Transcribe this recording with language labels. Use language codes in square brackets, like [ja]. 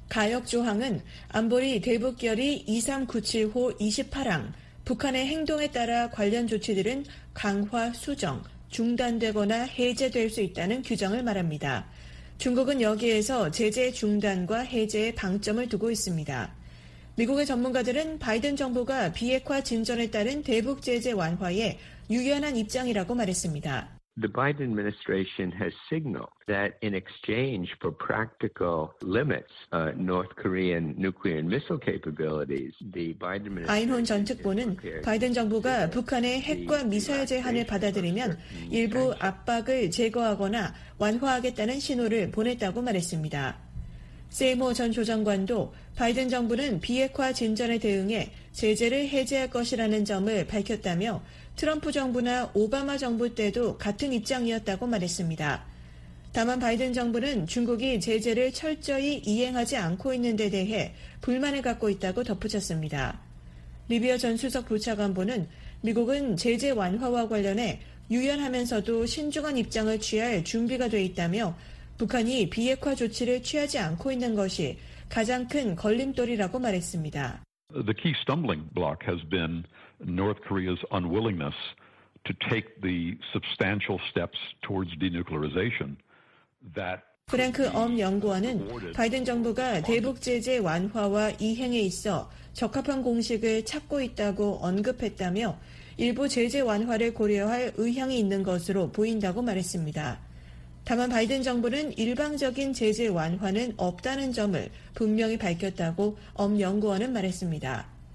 [ko] 가역 조항은 안보리 대북 결의 2397호 28항 북한의 행동에 따라 관련 조치들은 강화, 수정, 중단되거나 해제될 수 있다는 규정을 말합니다. 중국은 여기에서 제재 중단과 해제의 방점을 두고 있습니다. 미국의 전문가들은 바이든 정부가 비핵화 진전에 따른 대북 제재 완화에 유연한 입장이라고 말했습니다. [en] The Biden administration has signaled that in exchange for practical limits North Korean nuclear and missile capabilities, the Biden administration [ko] 아인혼 전 특보는 바이든 정부가 북한의 핵과 미사일 제한을 받아들이면 일부 압박을 제거하거나 완화하겠다는 신호를 보냈다고 말했습니다. 세이머 전 조정관도 바이든 정부는 비핵화 진전에 대응해 제재를 해제할 것이라는 점을 밝혔다며 트럼프 정부나 오바마 정부 때도 같은 입장이었다고 말했습니다. 다만 바이든 정부는 중국이 제재를 철저히 이행하지 않고 있는 데 대해 불만을 갖고 있다고 덧붙였습니다. 리비어 전 수석 부차관보는 미국은 제재 완화와 관련해 유연하면서도 신중한 입장을 취할 준비가 돼 있다며 북한이 비핵화 조치를 취하지 않고 있는 것이 가장 큰 걸림돌이라고 말했습니다. [en] The key stumbling block has been North Korea's unwillingness to take the substantial steps towards denuclearization that [ko] 프랭크 엄 연구원은 바이든 정부가 대북 제재 완화와 이행에 있어 적합한 공식을 찾고 있다고 언급했다며 일부 제재 완화를 고려할 의향이 있는 것으로 보인다고 말했습니다. 다만 바이든 정부는 일방적인 제재 완화는 없다는 점을 분명히 밝혔다고 엄 연구원은 말했습니다.